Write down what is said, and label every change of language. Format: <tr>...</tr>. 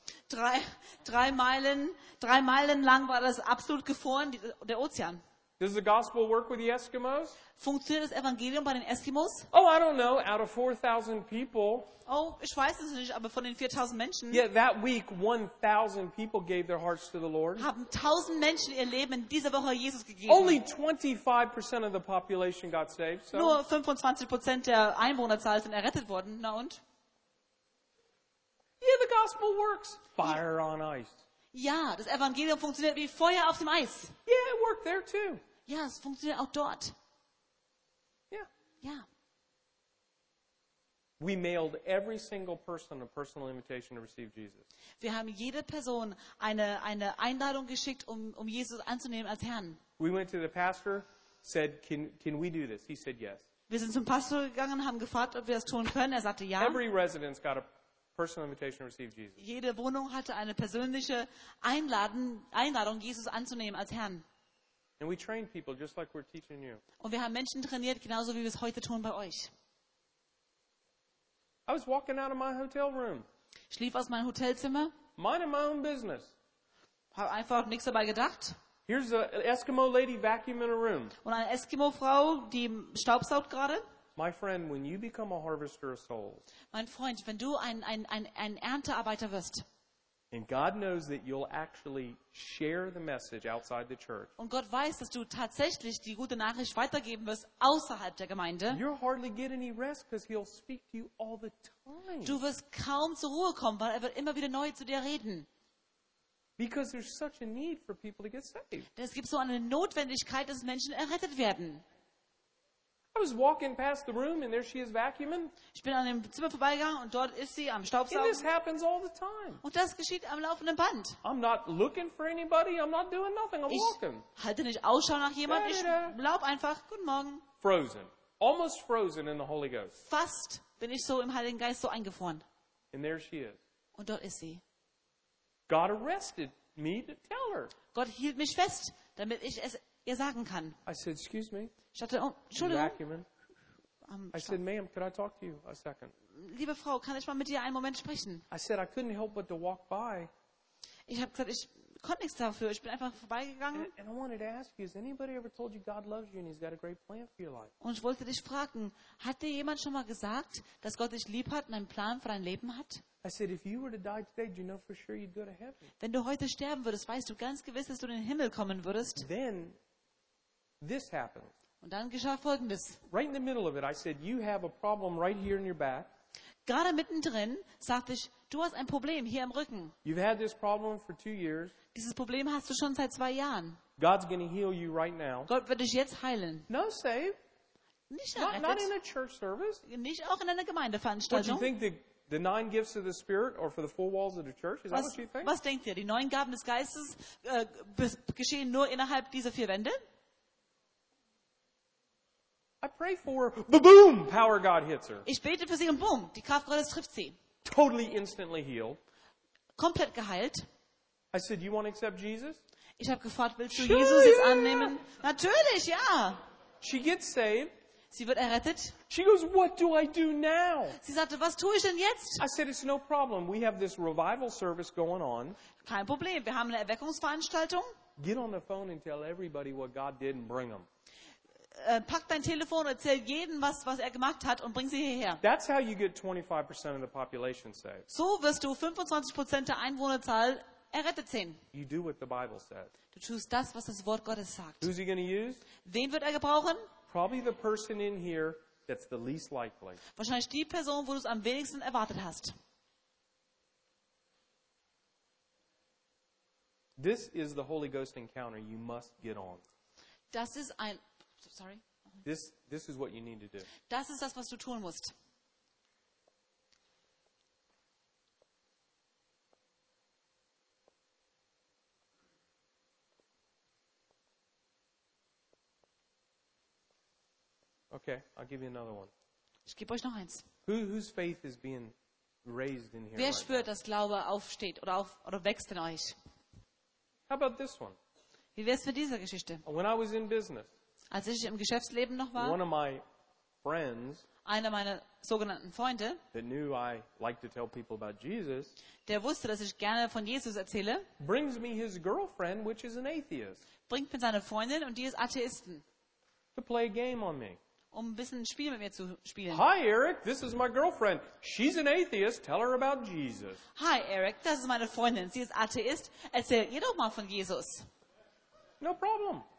<de>Drei Meilen lang war das absolut gefroren, der Ozean.</de> <en>Does the gospel work with the Eskimos?</en> <de>Funktioniert das Evangelium bei den Eskimos?</de> <en>Oh, I don't know. Out of 4,000 people.</en> <de>Oh, ich weiß es nicht, aber von den 4,000 Menschen.</de> <en>Yeah, that week 1,000 people gave their hearts to the Lord.</en> <de>Haben 1,000 Menschen ihr Leben in dieser Woche Jesus gegeben.</de> <en>Only 25% of the population got saved. So.</en> <de>Nur 25% der Einwohnerzahl sind errettet worden. Na und?</de> <en>Yeah, the gospel works. Fire on ice.</en> <de>Ja, das Evangelium funktioniert wie Feuer auf dem Eis.</de> <en>Yeah, it worked there too.</en> <de>Ja, es funktioniert auch dort.</de> <en>Yeah.</en> <de>Ja.</de> <en>We mailed every single person a personal invitation to receive Jesus.</en> <de>Wir haben jede Person eine Einladung geschickt, um Jesus anzunehmen als Herrn.</de> <en>We went to the pastor, said, can we do this? He said yes.</en> <de>Wir sind zum Pastor gegangen, haben gefragt, ob wir das tun können. Er sagte ja.</de> <en>Every resident got a personal invitation to receive Jesus.</en> <de>Jede Wohnung hatte eine persönliche Einladung, Jesus anzunehmen als Herrn.</de> <en>And we train people just like we're teaching you.</en> <de>Und wir haben Menschen trainiert, genauso wie wir es heute tun bei euch.</de> <en>I was walking out of my hotel room.</en> <de>Ich lief aus meinem Hotelzimmer.</de> <en>Minding my own business.</en> <de>Habe einfach nichts dabei gedacht.</de> <en>Here's an Eskimo lady vacuuming a room.</en> <de>Und eine Eskimo-Frau, die staubsaugt gerade.</de> <en>My friend, when you become a harvester of souls.</en> <de>Mein Freund, wenn du ein Erntearbeiter wirst.</de> <en>And God knows that you'll actually share the message outside the church.</en> <de>Und Gott weiß, dass du tatsächlich die gute Nachricht weitergeben wirst außerhalb der Gemeinde.</de> <en>You'll hardly get any rest because he'll speak to you all the time.</en> <de>Du wirst kaum zur Ruhe kommen, weil er wird immer wieder neu zu dir reden.</de> <en>Because there's such a need for people to get saved.</en> <de>Es gibt so eine Notwendigkeit, dass Menschen errettet werden.</de> <en>I was walking past the room and there she is vacuuming.</en> <de>Ich bin an dem Zimmer vorbeigegangen und dort ist sie am Staubsaugen.</de> <en>This happens all the time.</en> <de>Und das geschieht am laufenden Band.</de> <en>I'm not looking for anybody. I'm not doing nothing. I'm walking.</en> <de>Ich halte nicht Ausschau nach jemandem. Ich laub einfach. Guten Morgen.</de> <en>Frozen. Almost frozen in the Holy Ghost.</en> <de>Fast bin ich so im Heiligen Geist so eingefroren.</de> <en>And there she is.</en> <de>Und dort ist sie.</de> <en>God arrested me to tell her.</en> <de>Gott hielt mich fest, damit ich es ihr sagen kann.</de> <en>I said, excuse me.</en> <de>Ich hatte, oh, Entschuldigung.</de> <en>I said, ma'am, can I talk to you a second?</en> <de>Liebe Frau, kann ich mal mit dir einen Moment sprechen?</de> <en>I said, I couldn't help but to walk by.</en> <de>Ich habe gesagt, ich konnte nichts dafür. Ich bin einfach vorbeigegangen.</de> <en>And I wanted to ask you, has anybody ever told you God loves you and he's got a great plan for your life?</en> <de>Und ich wollte dich fragen, hat dir jemand schon mal gesagt, dass Gott dich lieb hat und einen Plan für dein Leben hat?</de> <en>I said, if you were to die today, do you know for sure you'd go to heaven?</en> <de>Wenn du heute sterben würdest, weißt du ganz gewiss, dass du in den Himmel kommen würdest?</de> <en>Then this happened.</en> <de>Und dann geschah Folgendes.</de> <en>Right in the middle of it, I said, you have a problem right here in your back.</en> <de>Gerade mittendrin sagte ich, du hast ein Problem hier im Rücken.</de> <en>You've had this problem for 2 years.</en> <de>Dieses Problem hast du schon seit 2 Jahren.</de> <en>God's gonna heal you right now.</en> <de>Gott wird dich jetzt heilen.</de> <en>No save.</en> <de>Nicht errettet.</de> <en>Not in a church service.</en> <de>Nicht auch in einer Gemeindeveranstaltung.</de> <en>What you think the 9 gifts of the Spirit or for the 4 walls of the church? Is</en> <de>was,</de> <en>that what you think?</en> <de>Was denkt ihr? Die 9 Gaben des Geistes geschehen nur innerhalb dieser 4 Wände?</de> <en>I pray for the boom, power God hits her.</en> <de>Ich bete für sie und boom, die Kraft Gottes trifft sie.</de> <en>Totally instantly healed.</en> <de>Komplett geheilt.</de> <en>I said, you want to accept Jesus?</en> <de>Ich habe gefragt, willst du Jesus jetzt annehmen? Natürlich, ja.</de> <en>She gets saved.</en> <de>Sie wird errettet.</de> <en>She goes, what do I do now?</en> <de>Sie sagte, was tue ich denn jetzt?</de> <en>I said, it's no problem. We have this revival service going on.</en> <de>Kein Problem, wir haben eine Erweckungsveranstaltung.</de> <en>Get on the phone and tell everybody what God did and bring them.</en> <de>Pack dein Telefon und erzähl jedem, was er gemacht hat und bring sie hierher.</de> <en>That's how you get 25% of the population saved.</en> <de>So wirst du 25% der Einwohnerzahl errettet sehen.</de> <en>You do what the Bible says.</en> <de>Du tust das, was das Wort Gottes sagt.</de> <en>Who's he gonna use?</en> <de>Wen wird er gebrauchen?</de> <en>Probably the person in here that's the least likely.</en> <de>Wahrscheinlich die Person, wo du es am wenigsten erwartet hast.</de> <en>This is the Holy Ghost encounter. You must get on.</en> <de>Das ist ein Sorry.</de> <en>This is what you need to do.</en> <de>Das ist das, was du tun musst.</de> <en>Okay, I'll give you another one.</en> <de>Ich gebe euch noch eins.</de> <en>Whose faith is being raised in here?</en> <de>Wer spürt, dass Glaube aufsteht oder wächst in euch?</de> <en>How about this one?</en> <de>Wie wär's mit dieser Geschichte?</de> <en>When I was in business.</en> <de>Als ich im Geschäftsleben noch war,</de> <en>one of my friends,</en> <de>einer meiner sogenannten Freunde,</de> <en>that knew I like to tell people about Jesus,</en> <de>der wusste, dass ich gerne von Jesus erzähle,</de> <en>brings me his girlfriend, which is an atheist,</en> <de>bringt mir seine Freundin und die ist Atheistin,</de> <en>to play a game on me.</en> <de>Um ein bisschen ein Spiel mit mir zu spielen.</de> <en>Hi Eric, this is my girlfriend. She's an atheist. Tell her about Jesus.</en> <de>Hi Eric, das ist meine Freundin. Sie ist Atheist. Erzähl ihr doch mal von Jesus.</de> <en>No problem.</en>